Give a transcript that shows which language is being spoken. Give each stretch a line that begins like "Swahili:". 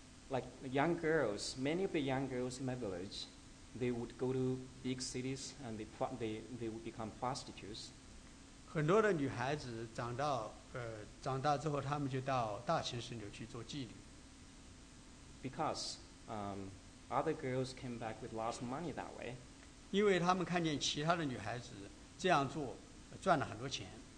English: Like the young girls, many of the young girls in my village, they would go to big cities and they would become prostitutes.
Chinese: 很多的女孩子长大之后，她们就到大城市里去做妓女。
English: Because other girls came back with lots of money that way.
Chinese: 因为她们看见其他的女孩子这样做，赚了很多钱。